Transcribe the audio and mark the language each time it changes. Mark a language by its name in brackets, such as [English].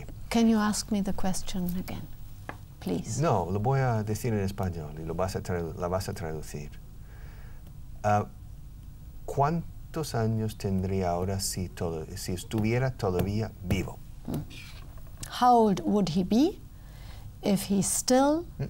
[English] Can you ask me the question again, please? [Spanish] No, lo voy a decir en español y la vas a traducir. ¿Cuántos años tendría ahora si estuviera todavía vivo? [English] How old would he be if he still...